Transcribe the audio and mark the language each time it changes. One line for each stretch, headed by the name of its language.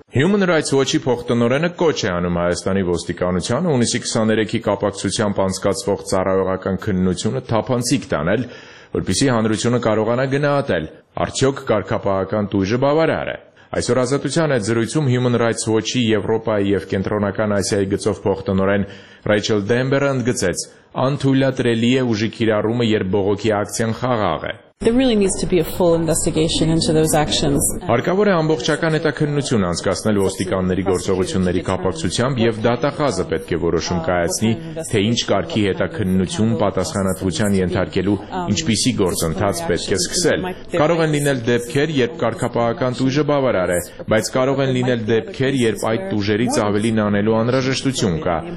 Armenian: Human Rights Watch-ի փոխտնօրենը կոչ է անում Հայաստանի ոստիկանությանը հունիսի 23-ի կապակցությամբ անցկացվող ծառայողական քննությունը թափանցիկ տանել, որպեսզի հանրությունը կարողանա գնահատել, արդյոք կարգապահական տույժը բավարար է։ Այսօր ազատության այդ զրույցում Human Rights Watch-ի Եվրոպայի և Կենտրոնական Ասիայի գծով փոխտնօրեն Ռեյչել Դեմբերը ընդգծեց. «Անթույլատրելի է ուժի կիրառումը, երբ բողոքի ակցիան խաղաղ է»։
English: There really needs to be a full investigation into those actions.
Armenian: Հարկավոր է ամբողջական հետաքննություն անցկացնել ոստիկանների գործողությունների կապակցությամբ, և դատախազը պետք է որոշում կայացնի, թե ինչ կարգի հետաքննություն պատասխանատվության ենթարկելու, ինչպիսի գործընթաց պետք է սկսել։ Կարող են լինել դեպքեր, երբ կարգապահական տույժը բավարար է, բայց կարող են լինել դեպքեր, երբ այդ տույժերից ավելին անելու անհրաժեշտություն կա։